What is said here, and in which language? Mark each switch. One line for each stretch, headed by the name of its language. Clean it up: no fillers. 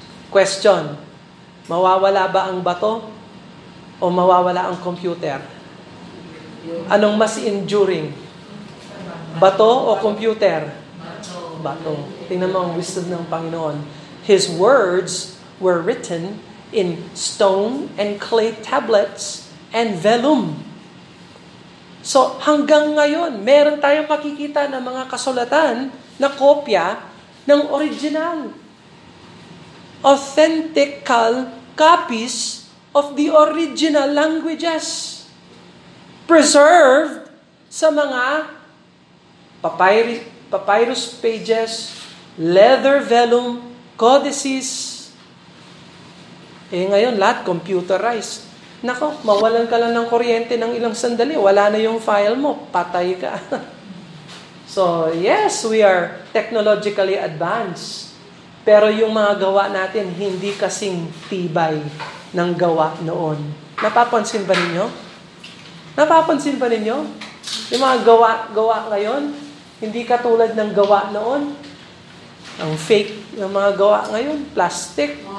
Filipino: Question, mawawala ba ang bato o mawawala ang computer? Anong mas enduring? Bato o computer? Bato. Tingnan mo ang wisdom ng Panginoon.
English: His words were written in stone and clay tablets and vellum.
Filipino: So hanggang ngayon, meron tayong makikita ng mga kasulatan na kopya ng original.
English: Authentical copies of the original languages.
Filipino: Preserved sa mga papyrus pages, leather vellum, codices. Eh ngayon, lahat computerized. Nako, mawalan ka lang ng kuryente ng ilang sandali, wala na yung file mo, patay ka.
English: So, yes, we are technologically advanced.
Filipino: Pero yung mga gawa natin, hindi kasing tibay ng gawa noon. Napapansin ba ninyo? Napapansin ba ninyo? Yung mga gawa ngayon, hindi katulad ng gawa noon. Ang fake ng mga gawa ngayon, plastic.